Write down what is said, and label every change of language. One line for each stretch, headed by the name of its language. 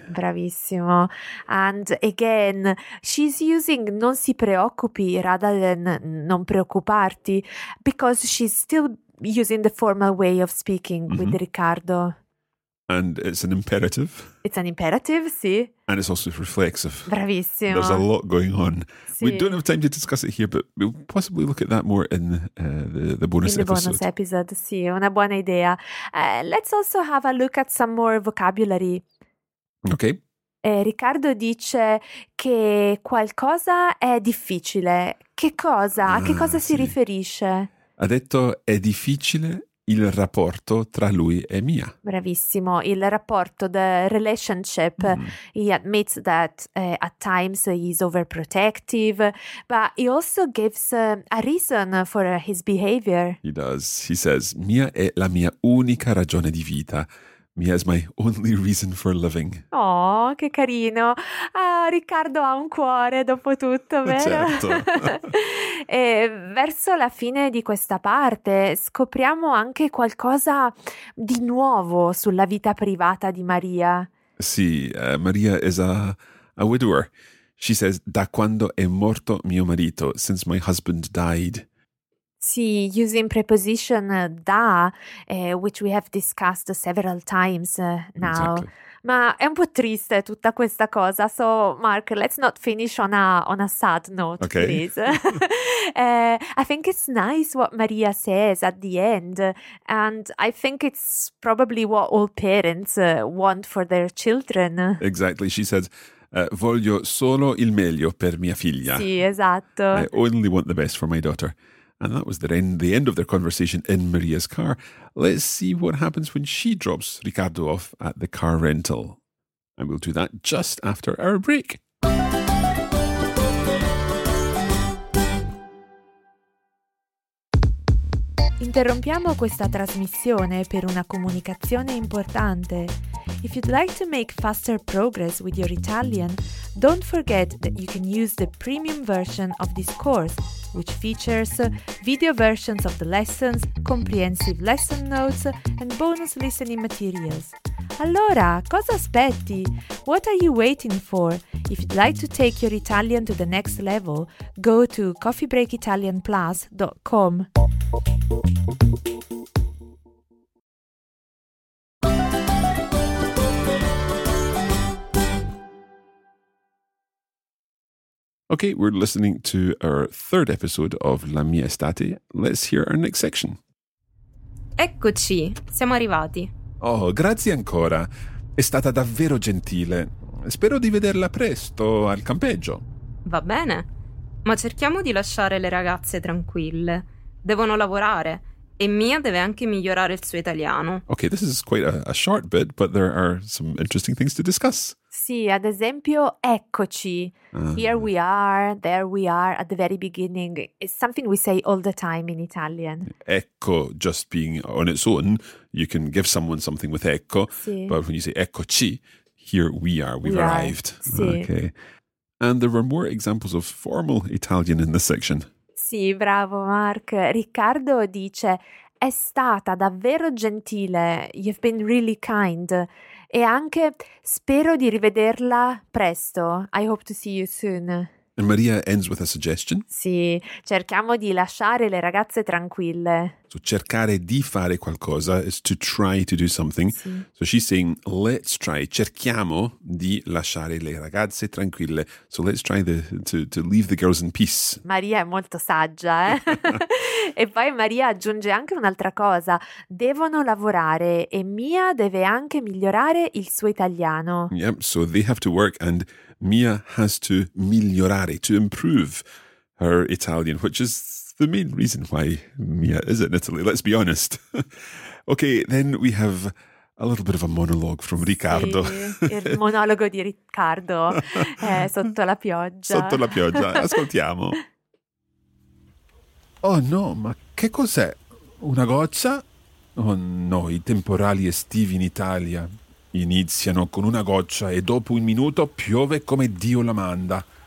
English: Bravissimo. And again, she's using
Italian: non si preoccupi
English: rather than
Italian: non preoccuparti
English: because she's still using the formal way of speaking mm-hmm. with Riccardo. And it's an imperative. It's an imperative, sì. And it's also reflexive.
Italian: Bravissimo.
English: There's a lot going on. Sì. We don't have time to discuss it here, but we'll possibly look at that more in the bonus episode. In the Bonus episode,
Italian: sì, una buona idea.
English: Let's also have a look at some more vocabulary. Okay.
Italian: Riccardo dice che qualcosa è difficile. Che cosa? A che cosa si riferisce? Ha detto è difficile il rapporto tra lui e Mia. Bravissimo, il rapporto,
English: the relationship. Mm-hmm. He admits that at times he's overprotective, but he also gives a reason for his behavior. He does. He says,
Italian: Mia è la mia unica ragione di vita.
English: Mia is my only reason for living.
Italian: Oh, che carino. Ah, Riccardo ha un cuore, dopo tutto, vero? Certo. E verso la fine di questa parte scopriamo anche qualcosa di nuovo sulla vita privata di Maria.
English: Sì, Maria is a widower. She says,
Italian: da quando è morto mio marito,
English: since my husband died. Sì, using preposition da, which we have discussed several times now. Exactly.
Italian: Ma è un po' triste tutta questa cosa.
English: So, Mark, let's not finish on a sad note, okay. Please. I think it's nice what Maria says at the end. And I think it's probably what all parents want for their children. Exactly. She says,
Italian: voglio solo il meglio per mia figlia. Sì, esatto.
English: I only want the best for my daughter. And that was the end of their conversation in Maria's car. Let's see what happens when she drops Riccardo off at the car rental. And we'll do that just after our break.
Italian: Interrompiamo questa trasmissione per una comunicazione importante.
English: If you'd like to make faster progress with your Italian, don't forget that you can use the premium version of this course, which features video versions of the lessons, comprehensive lesson notes, and bonus listening materials.
Italian: Allora, cosa aspetti?
English: What are you waiting for? If you'd like to take your Italian to the next level, go to coffeebreakitalianplus.com. Okay, we're listening to our third episode of La mia estate. Let's hear our next section.
Italian: Eccoci, siamo arrivati. Oh, grazie ancora. È stata davvero gentile. Spero di vederla presto al campeggio. Va bene, ma cerchiamo di lasciare le ragazze tranquille. Devono lavorare e Mia deve anche migliorare il suo italiano.
English: Okay, this is quite a short bit, but there are some interesting things to discuss.
Italian: Sì, ad esempio, eccoci.
English: Here we are, there we are, at the very beginning. It's something we say all the time in Italian. Ecco, just being on its own, you can give someone something with ecco.
Italian: Sì.
English: But when you say eccoci, here we are, we've arrived.
Italian: Sì.
English: Okay. And there were more examples of formal Italian in this section.
Italian: Sì, bravo Mark. Riccardo dice, è stata davvero gentile,
English: you've been really kind.
Italian: E anche, spero di rivederla presto.
English: I hope to see you soon. And Maria ends with a suggestion.
Italian: Sì, cerchiamo di lasciare le ragazze tranquille.
English: So
Italian: cercare di fare qualcosa
English: is to try to do something.
Italian: Sì.
English: So she's saying, let's try,
Italian: cerchiamo di lasciare le ragazze tranquille.
English: So let's try to leave the girls in peace.
Italian: Maria è molto saggia, eh? E poi Maria aggiunge anche un'altra cosa. Devono lavorare e Mia deve anche migliorare il suo italiano.
English: Yep, so they have to work and Mia has to migliorare, to improve her Italian, which is the main reason why Mia is in Italy, let's be honest. Okay, then we have a little bit of a monologue from Riccardo.
Italian: Sì, il monologo di Riccardo, sotto la pioggia. Sotto la pioggia, ascoltiamo. Oh no, ma che cos'è? Una goccia? Oh no, i temporali estivi in Italia iniziano con una goccia e dopo un minuto piove come Dio la manda.